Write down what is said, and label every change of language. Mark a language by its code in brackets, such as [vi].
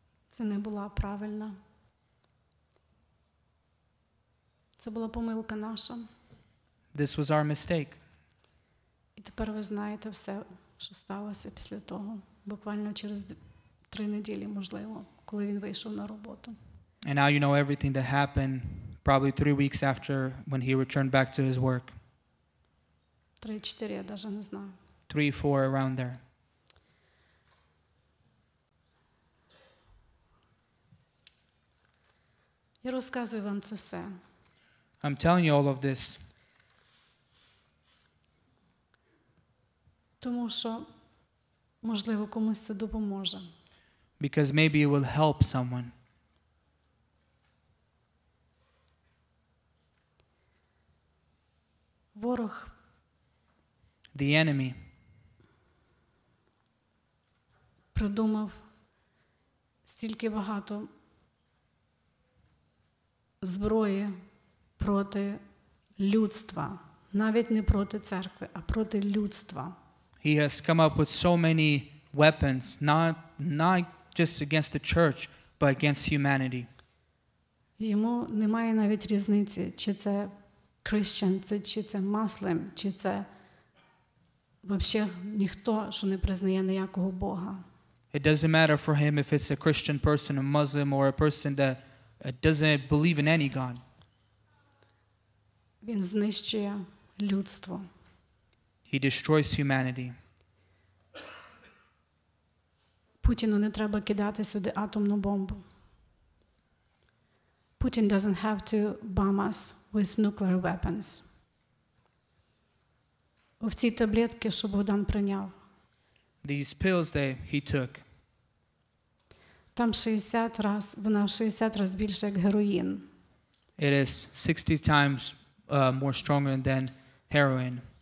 [uk] Це не була правильна. Це була помилка наша. [en] This was our mistake. [uk] І тепер ви знаєте все, що сталося після того, буквально через 3 неділі, можливо, коли він вийшов на роботу. [en] And now you know everything that happened probably 3 weeks after when he returned back to his work. [uk] 3-4, я даже не знаю. [en] 3-4 around there. [uk] Я розказую вам це все. [en] I'm telling you all of this. [uk] Тому що, можливо, комусь це допоможе. [en] Because maybe it will help someone. [uk] Ворог. [en] The enemy. [uk] Придумав стільки багато зброї проти людства, навіть не проти церкви, а проти людства. [en] He has come up with so many weapons, not just against the church, but against humanity. [uk] Йому немає навіть різниці, чи це Christian, чи це Muslim, чи це взагалі ніхто, що не признає ніякого Бога. [en] It doesn't matter for him if it's a Christian person, a Muslim, or a person that doesn't believe in any God. [uk] Він знищує людство. [en] He destroys humanity. [uk] Путіну не треба кидати сюди атомну бомбу. [en] Putin doesn't have to bomb us with nuclear weapons. [uk] В ці таблетки, що Богдан прийняв. [en] These pills that he took. [uk] Там 60 раз, вона 60 раз більше, як героїн. [en] It is 60 times more stronger than heroin.